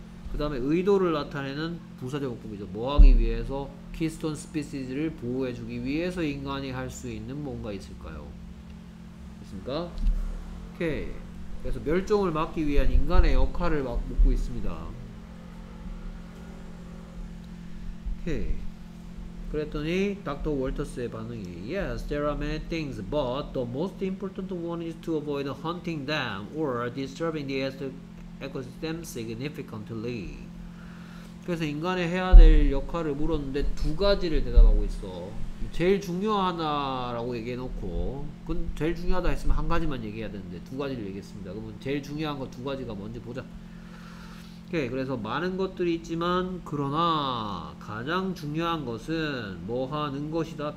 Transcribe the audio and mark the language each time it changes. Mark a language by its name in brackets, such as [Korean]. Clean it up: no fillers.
[Korean] 그 다음에 의도를 나타내는 부사제목법이죠. 뭐하기 위해서? Keystone species를 보호해주기 위해서 인간이 할 수 있는 뭔가 있을까요? 됐습니까? 오케이. 그래서 멸종을 막기 위한 인간의 역할을 막 묻고 있습니다. 오케이. 그랬더니 닥터 월터스의 반응이 [English] Yes, there are many things, but the most important one is to avoid hunting them or disturbing the ecosystem significantly. [Korean] 그래서 인간이 해야 될 역할을 물었는데 두 가지를 대답하고 있어. 제일 중요하다라고 얘기해놓고 그건 제일 중요하다 했으면 한 가지만 얘기해야 되는데 두 가지를 얘기했습니다. 그러면 제일 중요한 거 두 가지가 뭔지 보자. 오케이. 그래서 많은 것들이 있지만 그러나 가장 중요한 것은 뭐 하는 것이다?